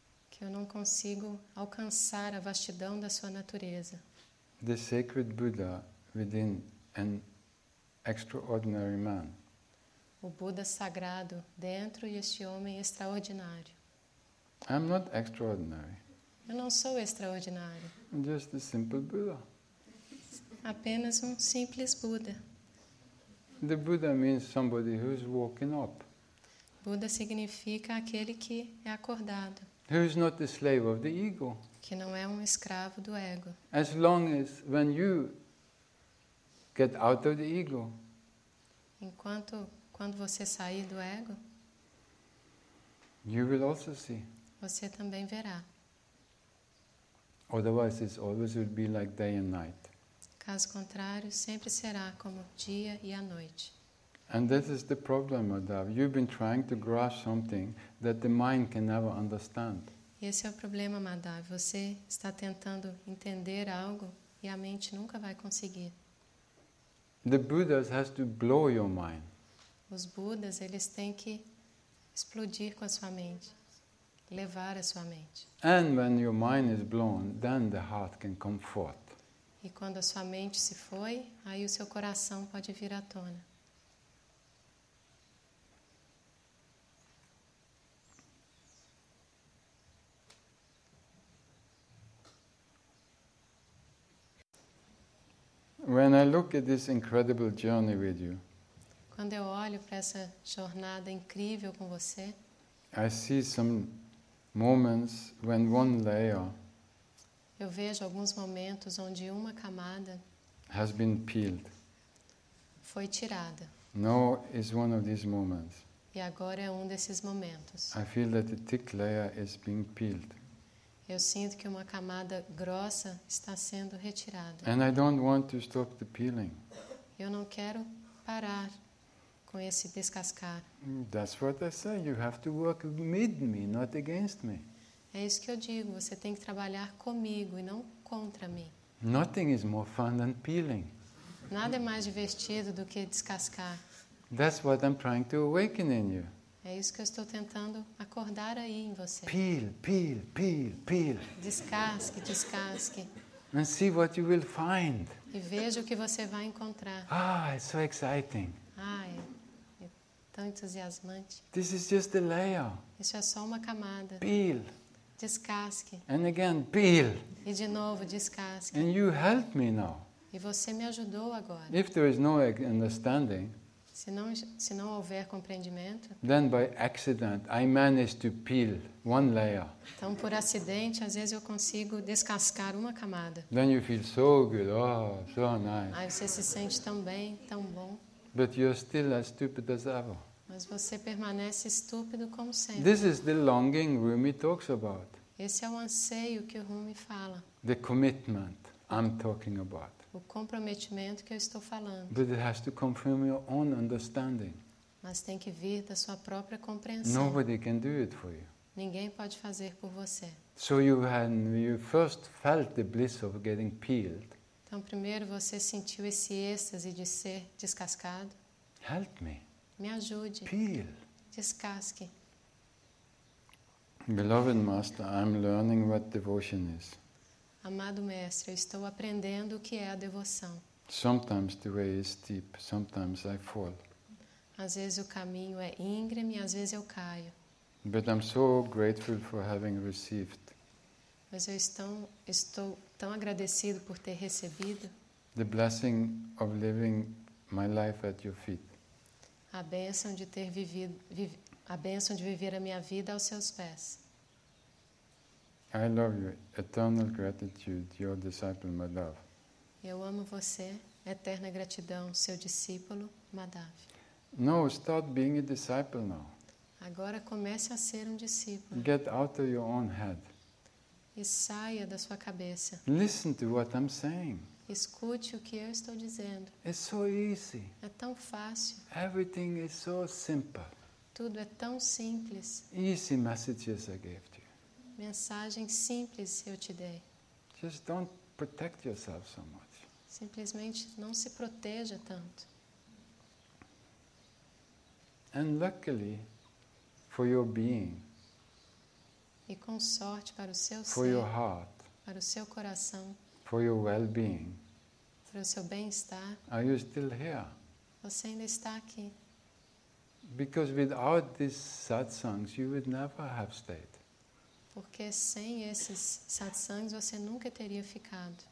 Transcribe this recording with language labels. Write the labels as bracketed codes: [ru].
[pt] Que eu não consigo alcançar a vastidão da sua natureza. [en] The sacred Buddha within an extraordinary man. [pt] O Buda sagrado dentro deste homem extraordinário. [en] I'm not extraordinary. [pt] Eu não sou extraordinário. [en] I'm just a simple Buddha. [pt] apenas um simples Buda. [en] The Buddha means somebody who's woken up. [pt] Buda significa aquele que é acordado. [en] Who is not the slave of the ego. [pt] Que não é um escravo do ego. [en] As long as when you get out of the ego. [pt] Enquanto quando você sair do ego, [en] you will also see. [pt] Você também verá. [en] Otherwise, it always will be like day and night. [pt] Caso contrário, sempre será como dia e a noite. [en] And this is the problem, Madhav. You've been trying to grasp something that the mind can never understand. [pt] Esse é o problema, Madhav. Você está tentando entender algo e a mente nunca vai conseguir. [en] The Buddhas has to blow your mind. [pt] Os Budas, eles têm que explodir com a sua mente, levar a sua mente. [en] And when your mind is blown, then the heart can come forth. [pt] E quando a sua mente se foi, aí o seu coração pode vir à tona. [en] When I look at this incredible journey with you, [pt] quando eu olho para essa jornada incrível com você, [en] I see some moments when one layer. [pt] Eu vejo alguns momentos onde uma camada [en] has been peeled. [pt] Foi tirada. [en] Now is one of these moments. [pt] E agora é um desses momentos. [en] I feel that the thick layer is being peeled. [pt] Eu sinto que uma camada grossa está sendo retirada. [en] And I don't want to stop the peeling. [pt] Eu não quero parar com esse descascar. [en] That's what I say. You have to work with me, not against me. [pt] É isso que eu digo, você tem que trabalhar comigo e não contra mim. [en] Nothing is more fun than peeling. [pt] Nada é mais divertido do que descascar. [en] That's what I'm trying to awaken in you. [pt] É isso que eu estou tentando acordar aí em você. [en] Peel, peel, peel, peel. [pt] Descasque, descasque. [en] And see what you will find. [pt] E veja o que você vai encontrar. [en] Ah, it's so exciting. [pt] Ai, é tão entusiasmante. [en] This is just a layer. [pt] Isso é só uma camada. [en] Peel. [pt] Descasque. [en] And again, peel. [pt] E de novo, descasque. [en] And you help me now. [pt] E você me ajudou agora. [en] If there is no understanding, [pt] se não houver compreendimento, [en] then by accident I manage to peel one layer. [pt] Então, por acidente, às vezes eu consigo descascar uma camada. [en] Then you feel so good, oh, so nice. [pt] Aí você se sente tão bem, tão bom. [en] But you're still as stupid as ever. [pt] Mas você permanece estúpido como sempre. [en] This is the longing Rumi talks about. [pt] Esse é o anseio que o Rumi fala. [en] The commitment I'm talking about. [pt] O comprometimento que eu estou falando. [en] But it has to come from your own understanding. [pt] Mas tem que vir da sua própria compreensão. [en] Nobody can do it for you. [pt] Ninguém pode fazer por você. [en] So you first felt the bliss of getting peeled. [pt] Então primeiro você sentiu esse êxtase de ser descascado. [en] Help me. [pt] Me ajude. [en] Peel. [pt] Descasque. [en] Beloved Master, I'm learning what devotion is. [pt] Amado Mestre, eu estou aprendendo o que é a devoção. [en] Sometimes the way is steep, sometimes I fall. [pt] Às vezes o caminho é íngreme, às vezes eu caio. [en] But I'm so grateful for having received. [pt] Mas eu estou tão agradecido por ter recebido. [en] The blessing of living my life at your feet. [pt] A bênção de ter vivido, a bênção de viver a minha vida aos seus pés. [en] I love you. Eternal gratitude, your disciple Madhav. [pt] Eu amo você. Eterna gratidão, seu discípulo Madhav. [en] No, start being a disciple now. [pt] Agora comece a ser um discípulo. [en] Get out of your own head. [pt] E saia da sua cabeça. [en] Listen to what I'm saying. [pt] Escute o que eu estou dizendo. [en] It's so easy. [pt] É tão fácil. [en] Everything is so simple. [pt] Tudo é tão simples. [en] Easy messages I gave to you. [pt] Mensagem simples eu te dei. [en] Just don't protect yourself so much. [pt] Simplesmente não se proteja tanto. [en] And luckily for your being. [pt] E com sorte para o seu [en] for [pt] ser. [en] Your heart, [pt] para o seu coração. [en] For your well-being. [pt] Para o seu bem-estar. [en] Are you still here? [pt] Você ainda está aqui. [en] Because without these satsangs, you would never have stayed. [pt] Porque sem esses satsangs, você nunca teria ficado.